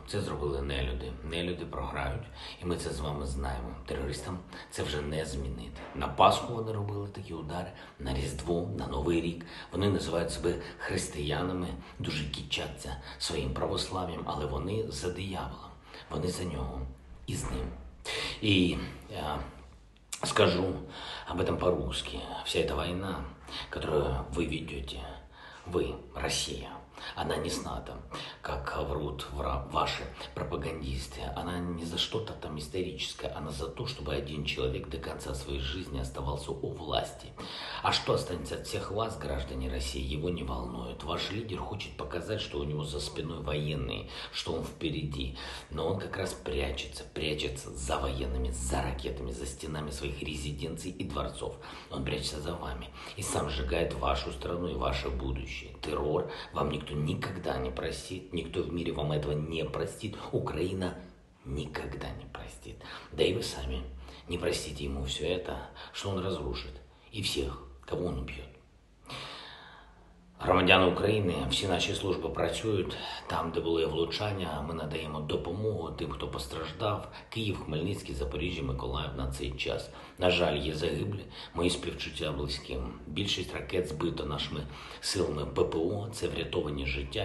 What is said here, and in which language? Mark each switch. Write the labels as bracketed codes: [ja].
[uk] Це зробили нелюди. Нелюди програють, і ми це з вами знаємо. Терористам це вже не змінити. На Пасху вони робили такі удари, на Різдво, на Новий рік. Вони називають себе християнами, дуже кичаться своїм православ'ям, але вони за диявола. Вони за нього і з ним. І я скажу [ru] об этом по-русски. Вся эта война, которую вы ведете, вы, Россия, она не с НАТО, как врут ваши пропагандисты. Она не за что-то там историческое, она за то, чтобы один человек до конца своей жизни оставался у власти. А что останется от всех вас, граждане России, его не волнует. Ваш лидер хочет показать, что у него за спиной военные, что он впереди. Но он как раз прячется за военными, за ракетами, за стенами своих резиденций и дворцов. Он прячется за вами и сам сжигает вашу страну и ваше будущее. Террор вам никто никогда не простит, никто в мире вам этого не простит, Украина никогда не простит. Да и вы сами не простите ему все это, что он разрушит, и всех, кого он убьет. [uk] Громадяни України, всі наші служби працюють там, де були влучання, ми надаємо допомогу тим, хто постраждав. Київ, Хмельницький, Запоріжжя, Миколаїв на цей час. На жаль, є загиблі, мої співчуття близьким. Більшість ракет збито нашими силами ППО, це врятовані життя.